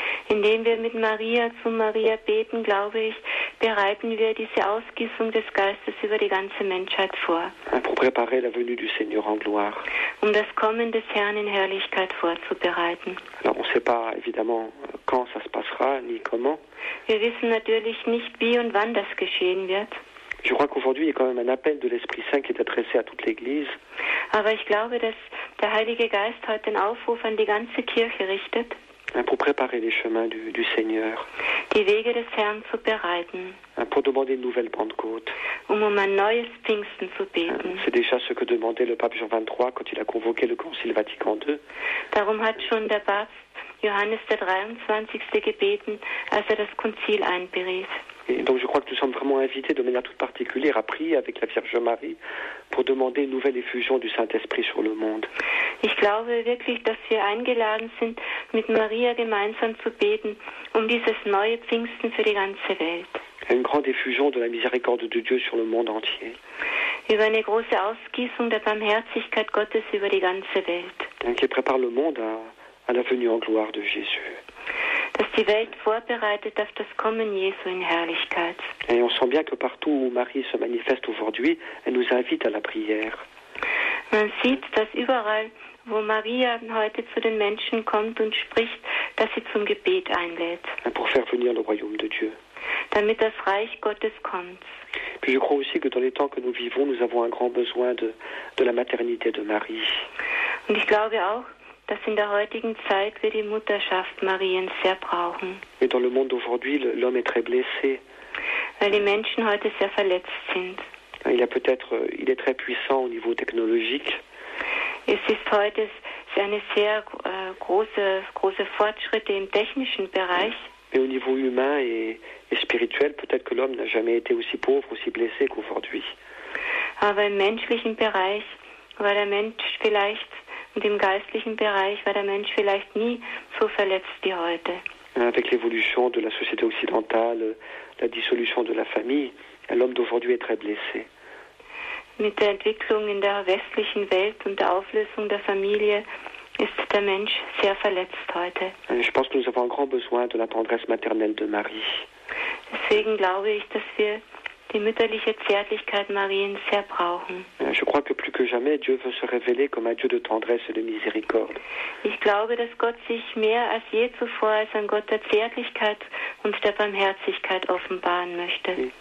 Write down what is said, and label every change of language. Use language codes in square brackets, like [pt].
[de] Indem wir mit Maria zu Maria beten, glaube ich, bereiten wir diese Ausgießung des Geistes über die ganze Menschheit vor. [fr] Pour préparer la venue du Seigneur en gloire. [de] Um das Kommen des Herrn in Herrlichkeit vorzubereiten. [fr] Alors, on ne sait pas évidemment quand ça se passera ni comment. [de] Wir wissen natürlich nicht, wie und wann das geschehen wird. [fr] Je crois qu'aujourd'hui, il y a quand même un appel de l'Esprit Saint qui est adressé à toute l'Église. [de] Aber ich glaube, dass der Heilige Geist heute den Aufruf an die ganze Kirche richtet. [fr] Pour préparer les chemins du Seigneur. [de] Die Wege des Herrn zu bereiten. [fr] Pour demander une nouvelle Pentecôte. [de] Um ein neues Pfingsten zu beten. [fr] C'est déjà ce que demandait le pape Jean XXIII quand il a convoqué le Concile Vatican II. [de] Darum hat schon der Papst Johannes der 23. gebeten, als das Konzil einberief. [fr] Et donc je crois que nous sommes vraiment invités de manière toute particulière à prier avec la Vierge Marie pour demander une nouvelle effusion du Saint-Esprit sur le monde. [de] Ich glaube wirklich, dass wir eingeladen sind, mit Maria gemeinsam zu beten, dieses neue Pfingsten für die ganze Welt. [fr] Une grande effusion de la miséricorde de Dieu sur le monde entier. [de] Über eine große Ausgießung der Barmherzigkeit Gottes über die ganze Welt. [fr] Donc qui prépare le monde à la venue en gloire de Jésus. [de] Dass die Welt vorbereitet auf das Kommen Jesu in Herrlichkeit. [fr] Et on sent bien que partout où Marie se manifeste aujourd'hui, elle nous invite à la prière. [de] Man sieht, dass überall, wo Maria heute zu den Menschen kommt und spricht, dass sie zum Gebet einlädt. [fr] Pour faire venir le royaume de Dieu. [de] Damit das Reich Gottes kommt. [fr] Puis je crois aussi que dans les temps que nous vivons, nous avons un grand besoin de la maternité de Marie. [de] Und ich glaube auch, dass in der heutigen Zeit wir die Mutterschaft Mariens sehr brauchen. [fr] Et dans le monde d'aujourd'hui, l'homme est très blessé. [de] Weil die Menschen heute sehr verletzt sind. [fr] Il est très puissant au niveau technologique. [de] Es ist heute eine sehr große Fortschritte im technischen Bereich. [fr] Mais au niveau humain et spirituel, peut-être que l'homme n'a jamais été aussi pauvre, aussi blessé qu'aujourd'hui. [de] Aber im menschlichen Bereich war der Mensch vielleicht, und im geistlichen Bereich war der Mensch vielleicht nie so verletzt wie heute. [fr] Avec l'évolution de la société occidentale, la dissolution de la famille, l'homme d'aujourd'hui est très blessé. [de] Mit der Entwicklung in der westlichen Welt und der Auflösung der Familie ist der Mensch sehr verletzt heute. [fr] Je pense que nous avons un grand besoin de la tendresse maternelle de Marie. [de] Deswegen glaube ich, dass wir die mütterliche Zärtlichkeit Mariens sehr brauchen. [fr] Je crois que plus que jamais, Dieu veut se révéler comme un Dieu de tendresse et de miséricorde. [de] Ich glaube, dass Gott sich mehr als je zuvor als ein Gott der Zärtlichkeit und der Barmherzigkeit offenbaren möchte.